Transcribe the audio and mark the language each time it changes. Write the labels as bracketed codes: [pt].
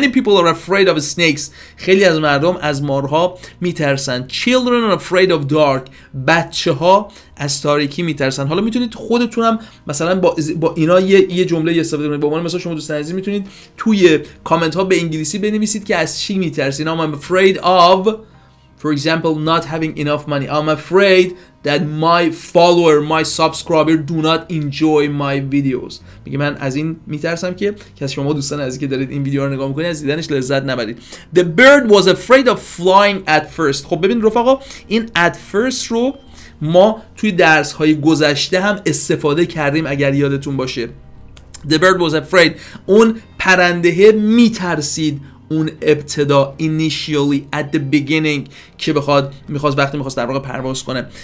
[en] many people are afraid of snakes، [fa] خیلی از مردم از مارها میترسند. [en] children are afraid of dark، [fa] بچه ها از تاریکی میترسند. حالا میتونید خودتونم مثلا با اینا یه جمله استفاده کنید. به عنوان مثلا شما دوستان عزیز میتونید توی کامنت ها به انگلیسی بنویسید که از چی میترسید. [en] I'm afraid of for example not having enough money. I'm afraid that my follower, my subscriber do not enjoy my videos. [fa] میگه من از این میترسم که شما دوستان عزیزی که دارید این ویدیو رو نگاه میکنید از دیدنش لذت نبرید. [en] The bird was afraid of flying at first. [fa] خب ببین رفقا، این at first رو ما توی درس های گذشته هم استفاده کردیم اگر یادتون باشه. [en] The bird was afraid. [fa] اون پرنده میترسید اون ابتدا، [en] initially at the beginning، [fa] که بخواد میخواست وقتی میخواست در واقع پرواز کنه.